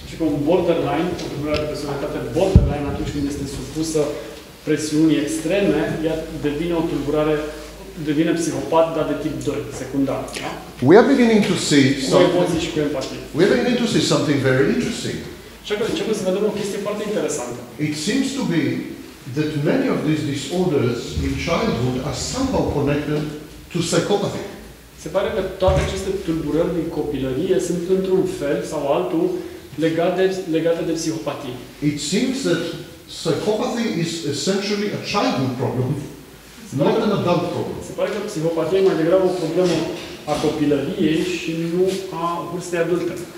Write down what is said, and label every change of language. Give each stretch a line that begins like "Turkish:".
Romanian: Și cum borderline, o tulburare de personalitate borderline, atunci când este supusă presiunii extreme, ea devine o tulburare, devine psihopat, dar de tip 2, secundar.
English: We are beginning to see something.
Romanian: Cu empatie.
English: We are beginning to see something very interesting.
Romanian: Și acum începem să vedem o chestie foarte interesantă.
English: It seems to be that many of these disorders in childhood are somehow connected to psychopathy.
Romanian: Se pare că toate aceste tulburări din copilărie sunt într-un fel sau altul legate de psihopatie.
English: It seems that psychopathy is essentially a childhood problem, not an adult problem.
Romanian: Se pare că psihopatia e mai degrabă o problemă a copilăriei și nu a vârstei adulte.